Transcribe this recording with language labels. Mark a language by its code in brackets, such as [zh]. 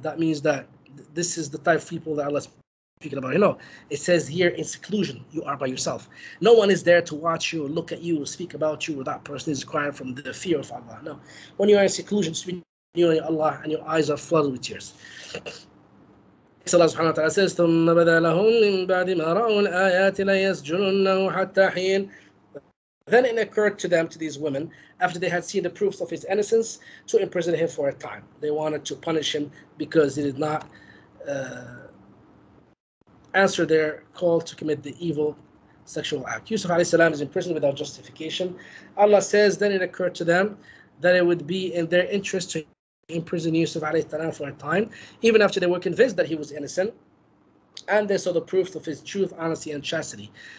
[en] That means that this is the type of people that Allah is speaking about. You know, it says here in seclusion, you are by yourself. No one is there to watch you, look at you, speak about you, or that person is crying from the fear of Allah. No, when you are in seclusion, you and Allah, and your eyes are flooded with tears. Allah subhanahu wa ta'ala says, [ar] ثُمَّ بَذَا لَهُمْ مِنْ بَعْدِ مَا رَأُوا الْآيَاتِ لَيَسْجُنُنَّهُ حَتَّى حِينَ. [en] Then it occurred to them, to these women, after they had seen the proofs of his innocence, to imprison him for a time. They wanted to punish him because he did not answer their call to commit the evil sexual act. Yusuf alayhi salam is imprisoned without justification. Allah says, then it occurred to them that it would be in their interest to imprison Yusuf alayhi salam for a time, even after they were convinced that he was innocent, and they saw the proofs of his truth, honesty, and chastity.